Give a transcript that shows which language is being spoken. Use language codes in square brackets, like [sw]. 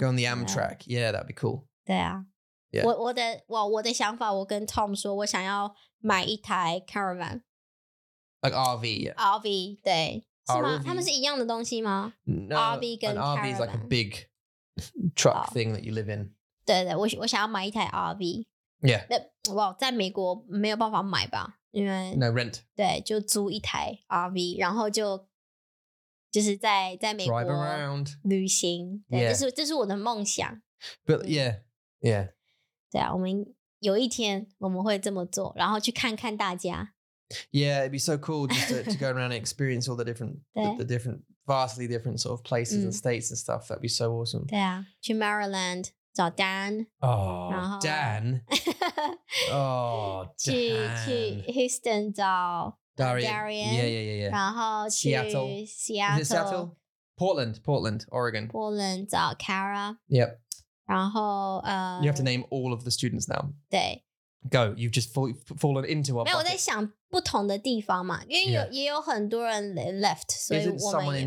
[en] Go on the Amtrak, yeah, that'd be cool. [zh] 对啊，我的想法，我跟 Tom 说，我想要买一台 caravan, [en] like RV, yeah. [zh] RV, 对，是吗？他们是一样的东西吗？No, [en] RV 跟 caravan. An RV is like a big truck thing that you live in. [zh] 对对，我想要买一台 RV。 [en] Yeah. [zh] 那哇，在美国没有办法买吧？因为 [en] No rent. [zh] 对，就租一台 RV， 然后就是在美国 [en] Drive around. [zh] 旅行。对， [en] yeah. [zh] 这是我的梦想。 [en] But yeah, yeah. [zh] 对啊，我们有一天我们会这么做，然后去看看大家。 [en] Yeah, it'd be so cool just to go around and experience all the different, the different, vastly different sort of places and states and stuff. That'd be so awesome. Yeah, to Maryland, 找 Dan. Oh, Dan. Oh, Dan. [zh] 去 Houston, 找 [en] Darian. [zh] Yeah. 然后去 [en] Seattle. Is it Seattle? Portland, Oregon. [zh] Portland, 找 Kara. [en] Yep. [zh] 然后 [en] You have to name all of the students now. [zh] 对。 [en] Go, you've just fallen into a bucket. [zh] 没有，我在想不同的地方嘛，因为也有很多人 left, 所以我们也没有。